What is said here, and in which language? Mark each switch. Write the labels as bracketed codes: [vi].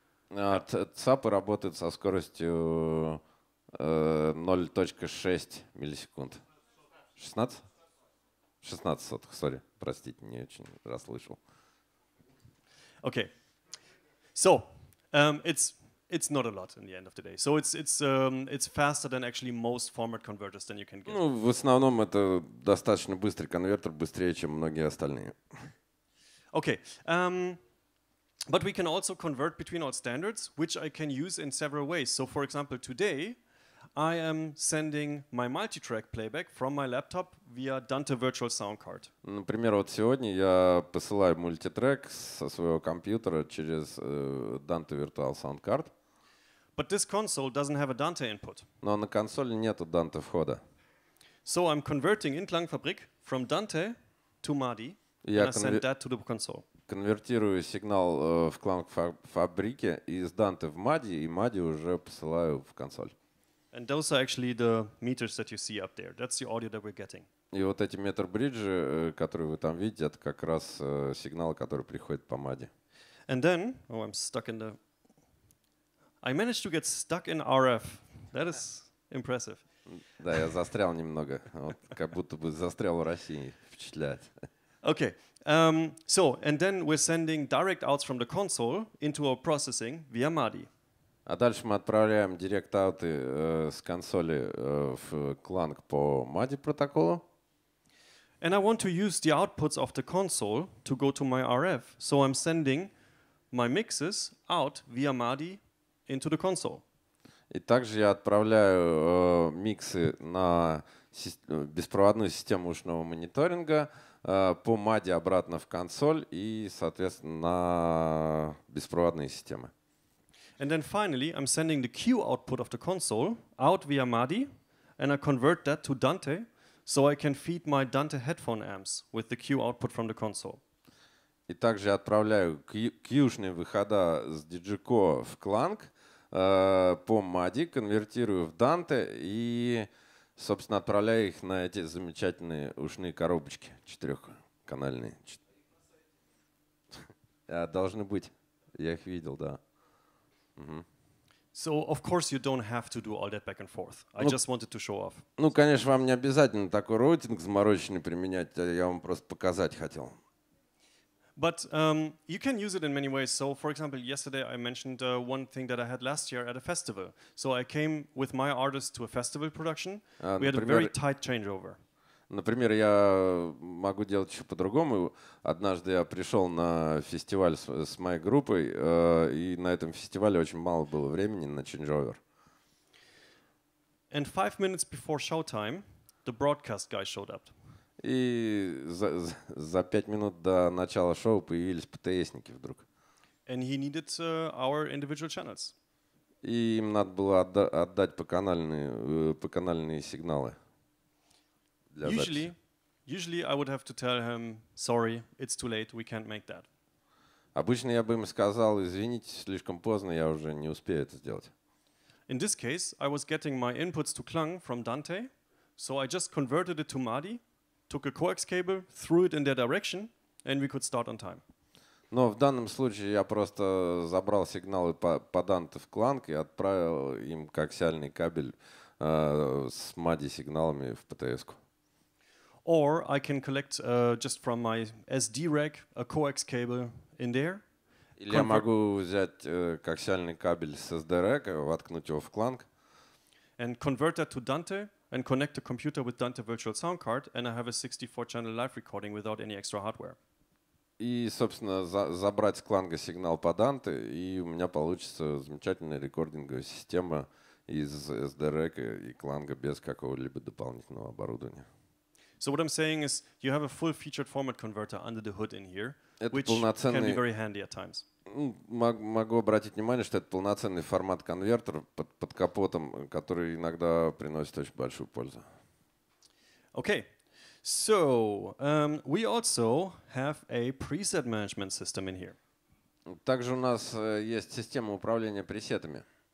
[ru] ЦАПы работают со скоростью 0.6 миллисекунд. 16? 16 сотых, [en] sorry, [ru] простите, не очень расслышал. [en] Okay, so it's not a lot in the end of the day. So it's faster than actually most format converters than you can get. [ru] Ну, в основном это достаточно быстрый конвертер, быстрее, чем многие остальные. [en] Okay, but we can also convert between all standards, which I can use in several ways. So for example, today I am sending my multitrack playback from my laptop via Dante virtual sound card. [ru] Например, вот сегодня я посылаю мультитрек со своего компьютера через Dante virtual sound card. [en] But this console doesn't have a Dante input. [ru] Но на консоли нету Dante входа. [en] So I'm converting in KLANG-фабрик from Dante to MADI, and I send that to the console. [ru] Конвертирую сигнал в KLANG-фабрике из Dante в MADI, и MADI уже посылаю в консоль. [en] And those are actually the meters that you see up there. That's the audio that we're getting. [ru] И вот эти метр бриджи, которые вы там видите, это как раз сигнал, который приходит по MADI. And then, oh, I'm stuck in the... I managed to get stuck in RF. That is impressive. Да, я застрял немного. Вот как будто бы застрял в России. Впечатляет. [en] Okay. So, and then we're sending direct outs from the console into our processing via MADI. [ru] А дальше мы отправляем директ-ауты с консоли в KLANG по MADI протоколу. [en] And I want to use the outputs of the console to go to my RF. So I'm sending my mixes out via MADI into the console. [ru] И также я отправляю миксы на беспроводную систему ушного мониторинга по MADI обратно в консоль и, соответственно, на беспроводные системы. [en] And then finally, I'm sending the cue output of the console out via MADI, and I convert that to Dante, so I can feed my Dante headphone amps with the cue output from the console. [ru] И также я отправляю кьюшные выхода с DigiCo в KLANG по MADI, конвертирую в Dante и, собственно, отправляю их на эти замечательные ушные коробочки четырехканальные. Должны быть. Я их видел, да. [en] So of course you don't have to do all that back and forth. I just wanted to show off. [ru] Ну, конечно, вам не обязательно такой роутинг замороченный применять. Я вам просто показать хотел. [en] But you can use it in many ways. So for example, yesterday I mentioned one thing that I had last year at a festival. So I came with my artist to a festival production. We had a very tight changeover. [ru] Например, я могу делать еще по-другому. Однажды я пришел на фестиваль с моей группой, и на этом фестивале очень мало было времени на changeover. [en] And 5 minutes before showtime, the broadcast guy showed up. [ru] И за 5 минут до начала шоу появились ПТСники вдруг. [en] And he needed our individual channels. [ru] И им надо было отдать по канальные сигналы. [en] Usually I would have to tell him, sorry, it's too late, we can't make that. [ru] Обычно я бы ему сказал, извините, слишком поздно, я уже не успею это сделать. [en] In this case, I was getting my inputs to KLANG from Dante, so I just converted it to MADI, took a coax cable, threw it in their direction, and we could start on time. [ru] Но в данном случае я просто забрал сигналы по данте в кланг и отправил им коаксиальный кабель с MADI сигналами в ПТС-ку. [en] Or I can collect just from my SD rack a coax cable in there. [ru] Или я могу взять коаксиальный кабель с SD rack и воткнуть его в кланг. [en] And convert that to Dante and connect the computer with Dante virtual sound card and I have a 64 channel live recording without any extra hardware. [ru] И, собственно, забрать с кланга сигнал по Данте, и у меня получится замечательная рекординговая система из SD-REC и кланга без какого-либо дополнительного оборудования. [en] So what I'm saying is you have a full-featured format converter under the hood in here, [ru] это [en] which can be very handy at times. [ru] Могу обратить внимание, что это полноценный формат-конвертер под капотом, который иногда приносит очень большую пользу. [en] Okay. So, we also have a preset management system in here. [ru] Также у нас есть система управления пресетами.